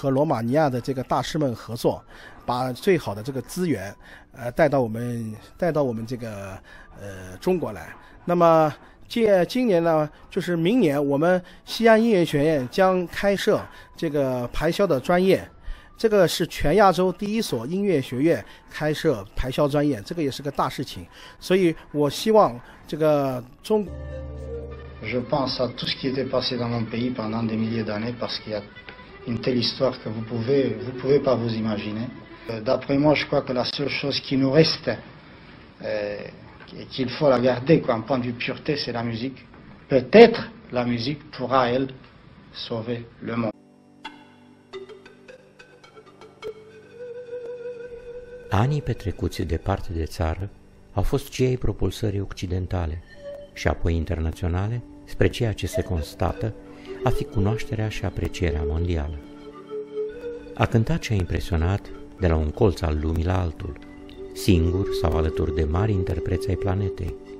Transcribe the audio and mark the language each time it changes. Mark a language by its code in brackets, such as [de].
[zh] 能够和詹菲亚先生能够共进晚餐，他能够听了我的演奏，给了我很多很多的建议和指导，所以我非常荣幸。那么去年呢，就是在西安音乐学院成立了我们中国西安音乐学院排箫学术国际学术交流中心。那么这个中心呢，也是中国第一个推广排箫的中心。那么我们将以后啊，多和罗马尼亚的这个大师们合作。把最好的这个资源，带到我们这个中国来。那么，今年呢，就是明年我们西安音乐学院将开设这个排箫的专业，这个是全亚洲第一所音乐学院开设排箫专业，这个也是个大事情。所以我希望这个中。 [fr] Je pense à tout ce qui était passé dans mon pays pendant des milliers d'années parce qu'il y a une telle histoire que vous pouvez pas vous imaginer. D'après moi, je crois que la seule chose qui nous reste, qu'il faut la garder, quoi, un point de vue pureté, c'est la musique. Peut-être la musique pourra, elle, sauver le monde. [ro] Anii petrecuți departe de țară au fost cei propulsării occidentale și apoi internaționale spre ceea ce se constată a fi cunoașterea și aprecierea mondială. A cântat ce a impresionat de la un colț al lumii la altul, singur sau alături de mari interpreți ai planetei.